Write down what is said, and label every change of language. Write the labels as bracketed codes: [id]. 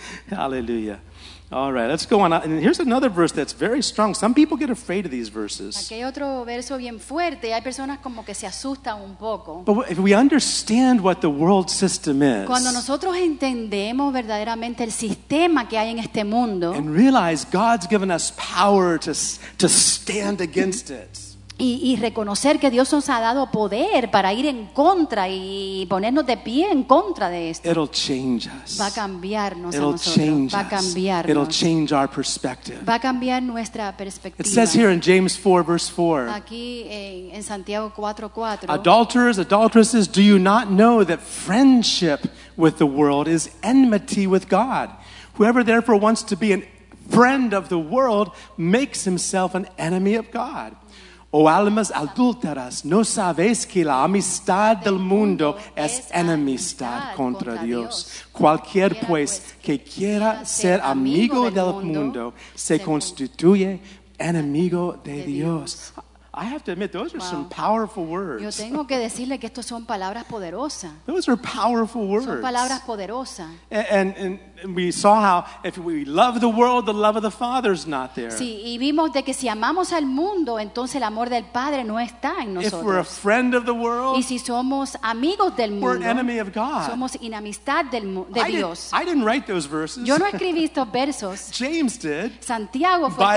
[en] Hallelujah. All right, let's go on. And here's another verse that's very strong. Some people get afraid of these verses. [es] Aquí hay otro verso bien fuerte. Hay personas como que se asustan un poco. [en] But if we understand what the world system is, [es] cuando nosotros entendemos verdaderamente el sistema que hay en este mundo, [en] and realize God's given us power to stand against it. [es] Y reconocer que Dios nos ha dado poder para ir en contra y ponernos de pie en contra de esto. [en] It'll change us. [es] Va a cambiarnos [en] It'll [es] a nosotros. Va a cambiarnos. [en] It'll change our perspective. [es] Va a cambiar nuestra perspectiva. [en] It says here in James 4, verse 4. [es] Aquí en Santiago 4:4. [en] Adulterers, adulteresses, do you not know that friendship with the world is enmity with God? Whoever therefore wants to be a friend of the world makes himself an enemy of God. [es] O almas adúlteras, ¿no sabéis que la amistad del mundo es enemistad contra Dios? Cualquier pues que quiera ser amigo del mundo se constituye enemigo de Dios. [en] I have to admit, those are some powerful words. [es] Yo tengo que decirle que estos son palabras poderosas. [en] Those are powerful words. [es] Son palabras poderosas. [en] And we saw how if we love the love of the Father is not there. [es] Sí, y vimos de que si amamos al mundo, entonces el amor del Padre no está en nosotros. [en] If we're a friend of the world, [es] y si somos amigos del mundo, [en] we're an enemy of God. [es] Somos enemistad de Dios. [en] I didn't write those verses. [es] Yo no escribí estos versos. [en] James did. [es] Santiago fue el que